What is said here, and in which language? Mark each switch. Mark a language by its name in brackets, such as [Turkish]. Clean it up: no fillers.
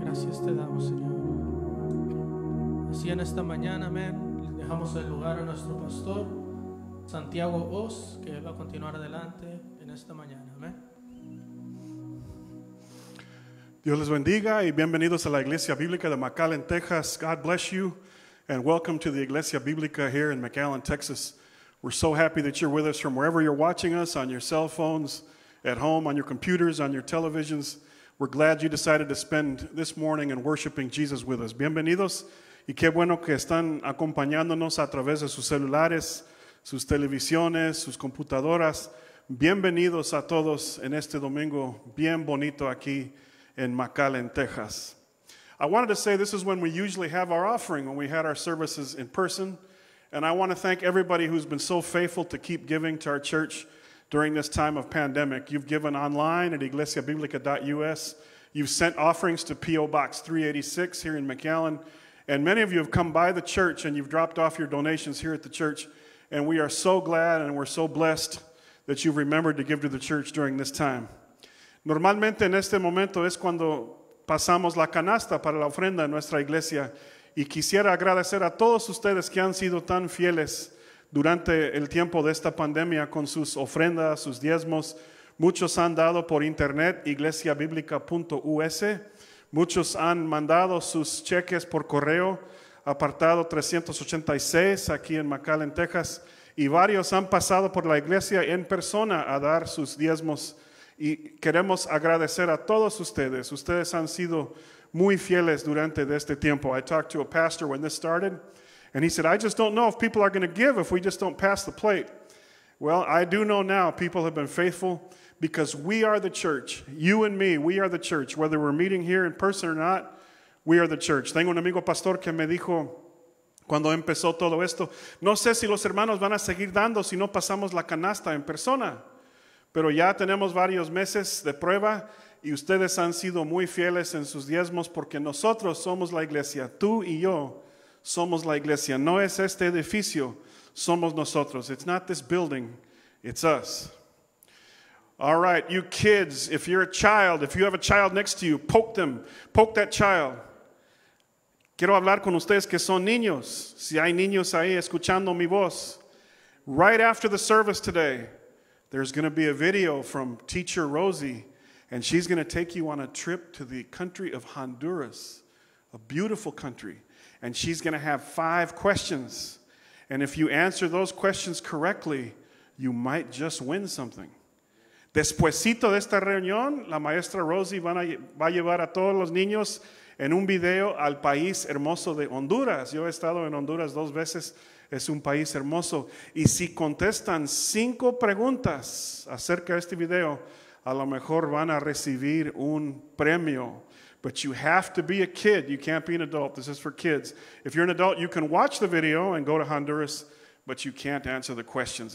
[Spanish] Gracias te damos, Señor. Así en esta mañana, amén, dejamos el lugar a nuestro pastor Santiago Oz, que va a continuar adelante en esta mañana. Amén. Dios les bendiga y bienvenidos a la Iglesia Bíblica de McAllen, Texas. [English] God bless you and welcome to the Iglesia Bíblica here in McAllen, Texas. We're so happy that you're with us from wherever you're watching us, on your cell phones, at home, on your computers, on your televisions. We're glad you decided to spend this morning in worshiping Jesus with us. [Spanish] Bienvenidos y qué bueno que están acompañándonos a través de sus celulares, sus televisiones, sus computadoras. Bienvenidos a todos en este domingo bien bonito aquí en McAllen, Texas. [English] I wanted to say this is when we usually have our offering, when we had our services in person. And I want to thank everybody who's been so faithful to keep giving to our church during this time of pandemic. You've given online at iglesiabiblica.us. You've sent offerings to P.O. Box 386 here in McAllen. And many of you have come by the church and you've dropped off your donations here at the church. And we are so glad and we're so blessed that you've remembered to give to the church during this time. [Spanish] Normalmente en este momento es cuando pasamos la canasta para la ofrenda en nuestra iglesia. Y quisiera agradecer a todos ustedes que han sido tan fieles durante el tiempo de esta pandemia con sus ofrendas, sus diezmos. Muchos han dado por internet, iglesiabiblica.us. Muchos han mandado sus cheques por correo, apartado 386 aquí en McAllen, Texas, y varios han pasado por la iglesia en persona a dar sus diezmos, y queremos agradecer a todos ustedes. Ustedes han sido muy fieles durante este tiempo. [English] I talked to a pastor when this started, and he said, I just don't know if people are going to give if we just don't pass the plate. Well, I do know now people have been faithful because we are the church. You and me, we are the church. Whether we're meeting here in person or not, we are the church. [Spanish] Tengo un amigo pastor que me dijo cuando empezó todo esto, no sé si los hermanos van a seguir dando si no pasamos la canasta en persona. Pero ya tenemos varios meses de prueba y ustedes han sido muy fieles en sus diezmos porque nosotros somos la iglesia. Tú y yo somos la iglesia. No es este edificio. Somos nosotros. [English] It's not this building. It's us. All right, you kids, if you're a child, if you have a child next to you, poke them. Poke that child. [Spanish] Quiero hablar con ustedes que son niños. Si hay niños ahí escuchando mi voz. [English] Right after the service today, there's going to be a video from Teacher Rosie, and she's going to take you on a trip to the country of Honduras, a beautiful country. And she's going to have 5 questions. And if you answer those questions correctly, you might just win something. [Spanish] Despuésito de esta reunión, la maestra Rosie va a llevar a todos los niños en un video al país hermoso de Honduras. Yo he estado en Honduras 2 veces. Es un país hermoso. Y si contestan 5 preguntas acerca de este video, a lo mejor van a recibir un premio. [English] But you have to be a kid. You can't be an adult. This is for kids. If you're an adult, you can watch the video and go to Honduras, but you can't answer the questions.